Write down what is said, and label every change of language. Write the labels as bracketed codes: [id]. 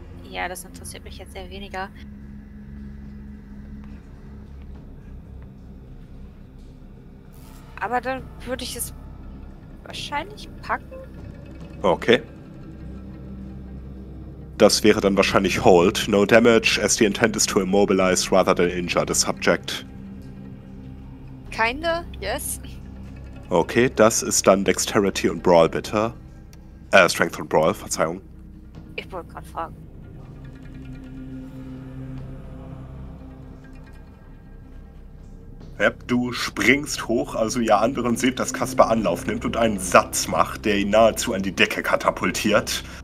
[de] Ja, das interessiert mich jetzt sehr weniger. Aber dann würde ich es wahrscheinlich packen. Okay. Das wäre dann wahrscheinlich Hold. [en] No damage, as the intent is to immobilize rather than injure the subject. Kinda, yes. [de] Okay, das ist dann Dexterity und Brawl, bitte. Strength und Brawl, Verzeihung. Ich wollte gerade fragen. Yep, du springst hoch, also ihr anderen seht, dass Kaspar Anlauf nimmt und einen Satz macht, der ihn nahezu an die Decke katapultiert.